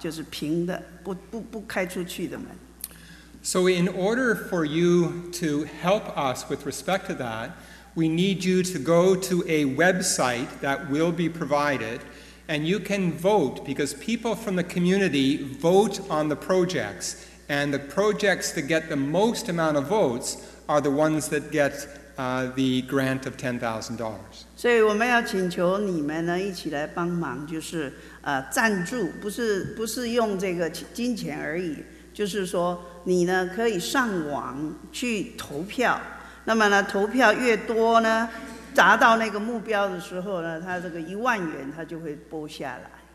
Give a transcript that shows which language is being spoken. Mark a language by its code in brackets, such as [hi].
[zh] 所以我们呢，这个时候就是为了这个交通的安全，所以这个Aviva这个保险公司呢，它特别提醒我们，假如能够募款到10,000元的时候呢，它就会替我们呢就补足那些其他的费用，然后呢，把这个本来是打开的门，现在呢就把它变成一个这个滑的门哈，就是平的，不开出去的门。 [en] So in order for you to help us with respect to that, we need you to go to a website that will be provided, and you can vote, because people from the community vote on the projects, and the projects that get the most amount of votes are the ones that get the grant of $10,000. [zh] 所以我们要请求你们呢一起来帮忙，就是赞助，不是用这个金钱而已，就是说你呢可以上网去投票。那么呢，投票越多呢，达到那个目标的时候呢，它这个10,000元它就会拨下来。